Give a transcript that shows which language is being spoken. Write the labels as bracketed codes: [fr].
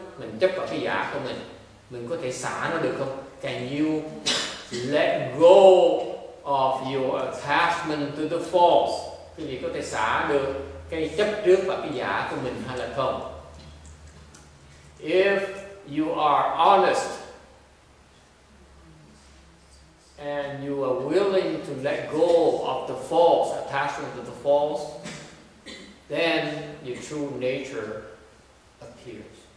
[vi] Mình chấp vào cái giả của mình. Mình có thể xả nó được không? [en] Can you let go of your attachment to the false. [vi] Quý vị có thể xả được cái chấp trước và cái giả của mình hay là không? [en] If you are honest and you are willing to let go of the false, attachment to the false, then your true nature appears.